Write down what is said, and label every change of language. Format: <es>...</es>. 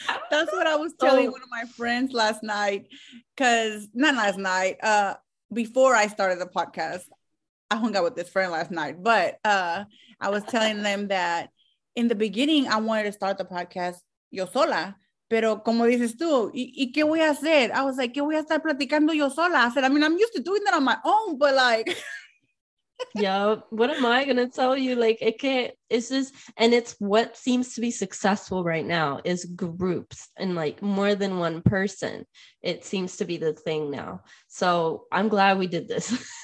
<en>That's what I was telling one of my friends last night, before I started the podcast. I hung out with this friend last night, but I was telling them that in the beginning, I wanted to start the podcast</en> <es>yo sola. Pero como dices tú, ¿y qué voy a hacer?</es> <en>I was like,</en> <es>¿qué voy a estar platicando yo sola?</es> <en>I said, I mean, I'm used to doing that on my own, but like... Yeah, what am I gonna tell you? Like, it's what seems to be successful right now is groups and like more than one person. It seems to be the thing now. So I'm glad we did this.</en>